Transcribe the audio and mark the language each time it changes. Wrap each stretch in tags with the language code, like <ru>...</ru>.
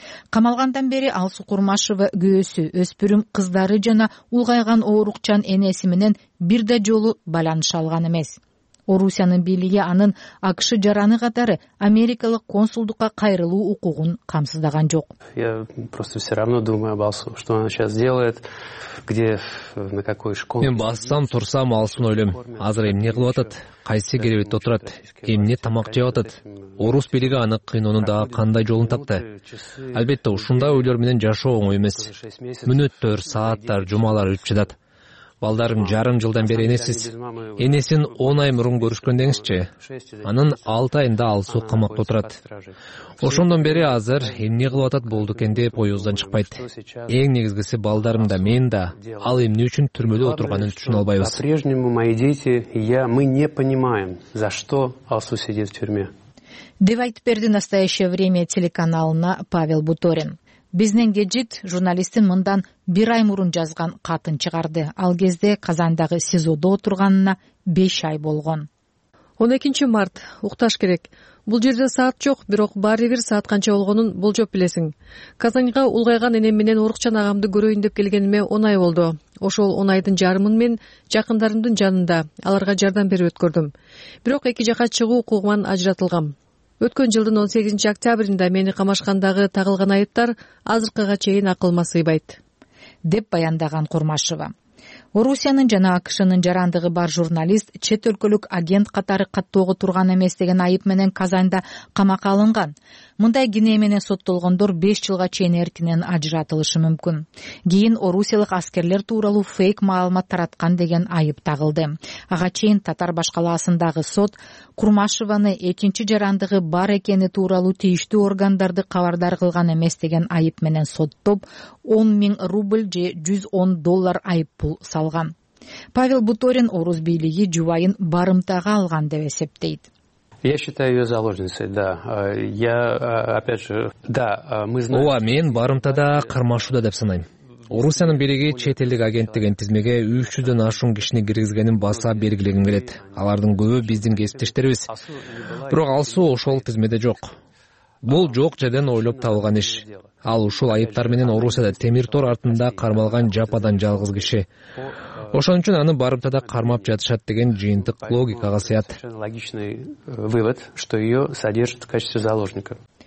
<ky>Камалгандан бери Алсу Курмашева күйөөсү, өспүрүм кыздары жана улгайган оорукчан энеси менен бир да жолу байланыша алган эмес. Орусиянын бийлиги анын АКШ жараны катары америкалык консулдукка кайрылуу укугун камсыздаган жок.</ky> <ru>Я просто все равно думаю об Алсу, что она сейчас делает, где, на какой школе.</ru> <ky>Мен бассам турсам Алсун ойлом. Азыр эмне кылып атат? Кайсы керебетте отурат? Эмне тамак жеп атат? Орус бийлиги аны кыйноону дагы кандай жолун тапты? Албетте ушундай ойлор менен жашоо оңой эмес. Мүнөттөр, сааттар, жумалар өтүп жатат. Балдарым жарым жылдан бери энесиз. Энесин 10 ай мурун көрүшкөндөңүзчү. Анын 6 айында алсу камакта отурат. Ошондон бери азыр эмне кылып атат болду экен деп оюбуздан чыкпайт. Эң негизгиси балдарым да мен да ал эмне үчүн түрмөдө отурганын түшүнө албайбыз.</ky> <ru>По-прежнему мои дети и я, мы не понимаем, за что алсу сидит в тюрьме.</ru> <ky>Деп айтып берди настоящее время телеканалына Павел Буторин. Биздин гаджет журналистин мындан бир ай мурун жазган катын чыгарды. Ал кезде Казандагы СИЗОдо отурганына 5 ай болгон. 12 март укташ керек. Бул жерде саат жок, бирок баары бир саат канча болгонун болжоп билесиң. Казанга улгайган энем менен Орукчан агамды көрөйүн деп келгениме 10 ай болду. Ошол 10 айдын жарымын мен жакындарымдын жанында аларга жардам берип өткөрдүм. Бирок эки жака чыгуу укугуман ажыратылгам. Өткөн жылдын 18 октябрында мени камашкандагы тагылган айыптар азыркыга чейин акылыма сыйбайт, деп баяндаган Курмашева. Орусиянын жана АКШнын жарандыгы бар журналист чет өлкөлүк агент катары каттоого турган эмес деген айып менен Казанда камакка алынган. Мындай кинээ менен соттолгондор 5 жылга чейин эркинен ажыратылышы мүмкүн. Кийин орусиялык аскерлер тууралуу фейк маалымат тараткан деген айып тагылды. Ага чейин татар башкалаасындагы сот Курмашеваны экинчи жарандыгы бар экени тууралуу тийиштүү органдарды кабардар кылган эмес деген айып менен соттоп 10,000 рубль же 110 доллар айыппул салган. Павел Буторин орус бийлиги жубайын барымтага алган деп эсептейт.</ky> <ru>Я считаю её заложницей, да. Я опять же, да, мы знаем.</ru> <ky>Ооба, мен барымтада кармашууда деп санайм. Орусиянын бийлиги чет элдик агенттиген тизмеге 300'дөн ашуун кишини киргизгенин баса белгилегим келет. Алардын көбү биздин кесиптештерибиз. Бирок алсу ошол тизмеде жок. Бул жок жерден ойлоп табылган иш. Ал ушул айыптар менен Орусияда темир тор артында кармалган жападан жалгыз киши. Ошон үчүн аны барымтада кармап жатышат деген жыйынтык логикага сыят.</ky> <ru>Логичный вывод, что её содержат в качестве заложника.</ru>